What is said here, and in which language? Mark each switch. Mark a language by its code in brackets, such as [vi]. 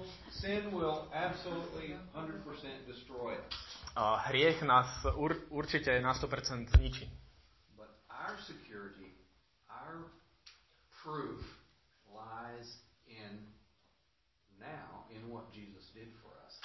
[en] Sin will absolutely 100% destroy us. [sk] Hriech nás určite na 100% zničí. [en] But our security, our proof lies in now, in what Jesus did for us.